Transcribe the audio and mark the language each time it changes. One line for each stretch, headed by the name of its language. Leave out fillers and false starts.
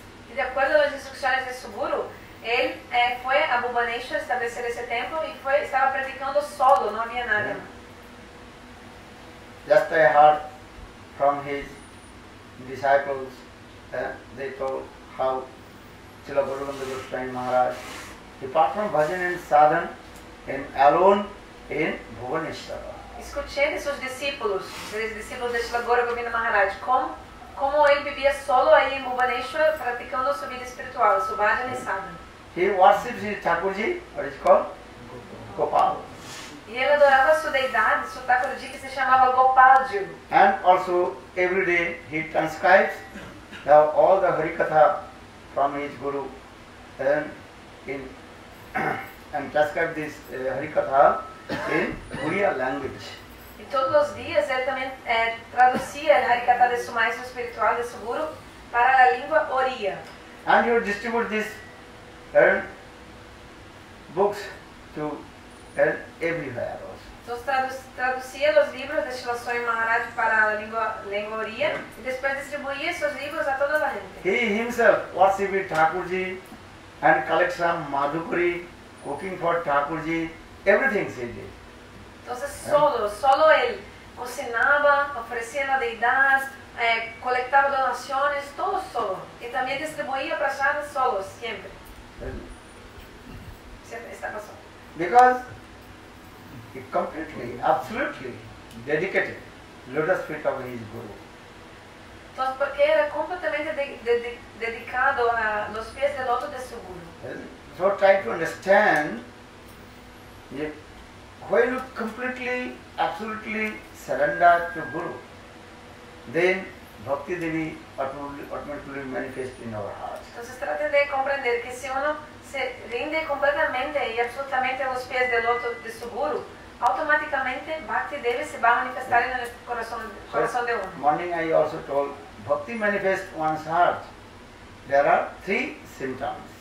Spanish: Y de acuerdo a las instrucciones de su guru, él fue a Bhubaneswar a establecer ese templo y fue, estaba predicando solo, no había nadie.
English: Just I heard from his disciples, they told how Srila Gaura Govinda Goswami Maharaj departed from bhajan and sadhan alone in Bhubaneswar.
Spanish: Y
Portuguese: discutir entre seus discípulos, os discípulos de Srila Gaura Govinda Maharaj, como ele vivia solo aí em Bhubaneswar, praticando sua vida espiritual, sua bhajana e sadhana.
English: He worships his Thakurji, what is it called? Gopal.
Portuguese: E ele adorava sua deidade, seu Thakurji, que se chamava Gopalji.
English: And also, every day, he transcribes all the Harikatha from his guru. And transcribe this Harikatha in Uriya language.
Portuguese: E todos os dias ele também traduzia a Harikatha de seu maestro espiritual, de seu guru, para a língua Uriya.
English: And he would distribute this books to everywhere also.
Portuguese: Então traduzia os livros de Srila Swami Maharaj para a língua Uriya e depois distribuía seus livros a toda a gente.
English: He himself worshiped Thakurji and collect some madhukuri, cooking for Thakurji, everything he did.
Spanish: Entonces solo él cocinaba, ofrecía la deidad, colectaba donaciones, todo solo. Y también distribuía prasada solo, siempre. Siempre estaba solo.
English: Because he completely, absolutely dedicated lotus feet of his guru.
Spanish: Entonces, porque era completamente dedicado a los pies del otro de su guru.
English: So try to understand when you completely, absolutely surrender to Guru, then Bhakti Devi automatically manifests in our hearts.
Spanish: Entonces traten de comprender que si uno se rinde completamente y absolutamente a los pies del otro de su guru, automáticamente Bhakti Devi se va a manifestar en el corazón de uno.
English: Morning I also told Bhakti manifests one's heart. There are three symptoms.